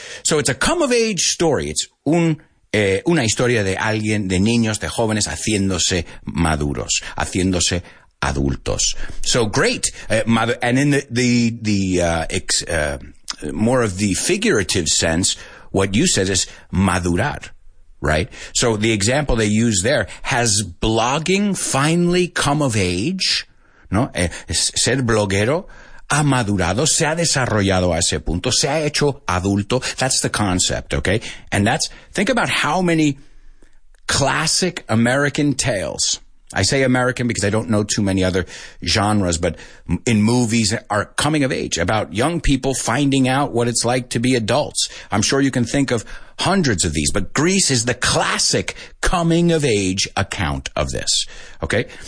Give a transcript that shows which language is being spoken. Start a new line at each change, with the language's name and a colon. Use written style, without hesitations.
English: So it's a come of age story.
Spanish: It's una historia de alguien, de niños, de jóvenes, haciéndose maduros, haciéndose adultos.
English: So great. And in more of the figurative sense, what you said is madurar, right? So the example they use there, has blogging finally come of age?
Spanish: No, ser bloguero ha madurado, se ha desarrollado a ese punto, se ha hecho adulto.
English: That's the concept, okay? And think about how many classic American tales. I say American because I don't know too many other genres, but in movies are coming of age, about young people finding out what it's like to be adults. I'm sure you can think of hundreds of these, but Greece is the classic coming of age account of this, okay?